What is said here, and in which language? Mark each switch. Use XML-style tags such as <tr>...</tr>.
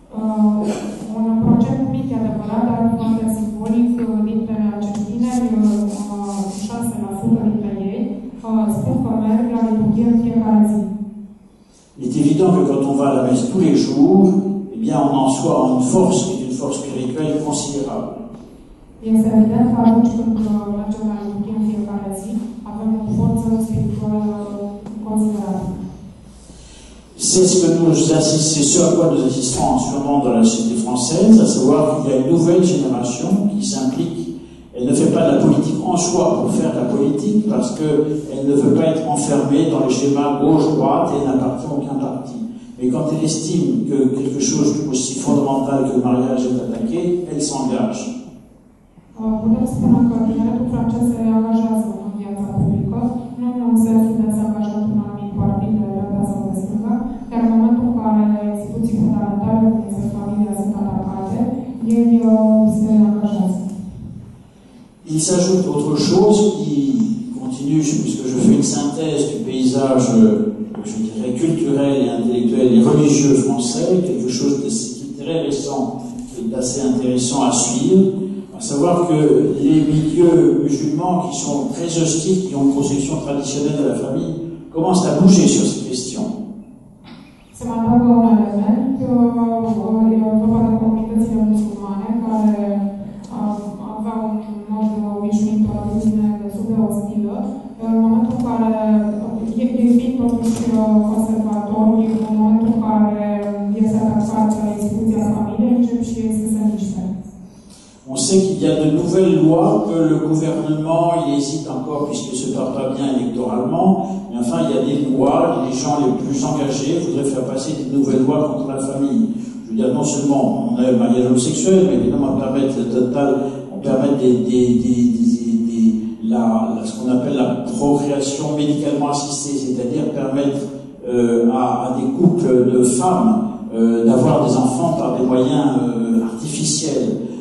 <fr>On a un</fr> <ro>procent mic,</ro> <fr>c'est vrai, mais un procent symbolique d'entre ces</fr> <ro>tineri,</ro> <fr>6% d'entre eux, disent qu'ils vont à la liturgie chaque jour. Il est évident que quand on va à la messe tous les jours, eh bien on en soit en une force, qui est une force spirituelle considérable.</fr> <ro>Este evident că atunci când mergem la liturghie în fiecare zi, avem o forță spirituală considerabilă.</ro> <fr>C'est ce que nous assistons, c'est ce à quoi nous assistons en ce moment dans la société française, à savoir qu'il y a une nouvelle génération qui s'implique. Elle ne fait pas la politique en soi pour faire la politique, parce qu'elle ne veut pas être enfermée dans les schémas gauche-droite et n'appartient à aucun parti. Mais quand elle estime que quelque chose d'aussi fondamental que le mariage est attaqué, elle s'engage.</fr> <ro>Putem spune că tineretul francez se angajează în viața publică, nu în sensul de a se angaja într-un anumit partid de dreapta sau de stânga, dar în momentul în care instituții fundamentale, cum este familia, sunt atacate, ei se angajează.</ro> <fr>Il s'ajoute autre chose qui continue, puisque je fais une synthèse du paysage, je dirais, culturel et intellectuel et religieux français, quelque chose de très récent et d'assez intéressant à suivre. À savoir que les milieux musulmans qui sont très hostiles, qui ont une conception traditionnelle de la famille, commencent à bouger sur ces questions.</fr> <ro>Se mai adaugă un element, vorba de comunitățile musulmane care aveau un mod obișnuit o atitudine destul de ostilă, în momentul în care e fiind totuși conservatorii, în momentul în care este atacată instituția familiei, încep și ei să se miște.</ro> <fr>On sait qu'il y a de nouvelles lois que le gouvernement, il hésite encore puisqu'il ne se porte pas bien électoralement, mais enfin il y a des lois, les gens les plus engagés voudraient faire passer des nouvelles lois contre la famille. Je veux dire, non seulement on a le mariage homosexuel, mais évidemment on permet ce qu'on appelle la procréation médicalement assistée, c'est-à-dire permettre à des couples de femmes d'avoir des enfants par des moyens artificiels.</fr>